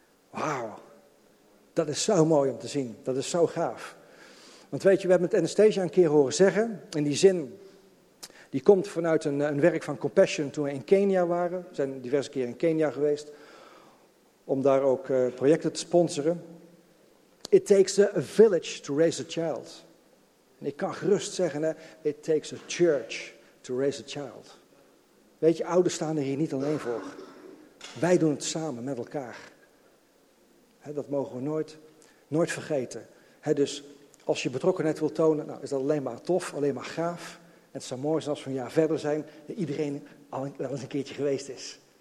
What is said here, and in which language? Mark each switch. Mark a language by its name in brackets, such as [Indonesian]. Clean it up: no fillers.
[Dutch] Wauw, dat is zo mooi om te zien, dat is zo gaaf. Want weet je, we hebben het Anastasia een keer horen zeggen, in die zin, Die komt vanuit een werk van Compassion toen we in Kenia waren. We zijn diverse keren in Kenia geweest om daar ook projecten te sponsoren. [English] It takes a village to raise a child. [Dutch] En ik kan gerust zeggen, [English] it takes a church to raise a child. [Dutch] Weet je, ouders staan er hier niet alleen voor. Wij doen het samen met elkaar. Dat mogen we nooit vergeten. Dus als je betrokkenheid wil tonen, nou, is dat alleen maar tof, alleen maar gaaf. En het zou mooi zijn als we een jaar verder zijn, dat iedereen al wel eens een keertje geweest is.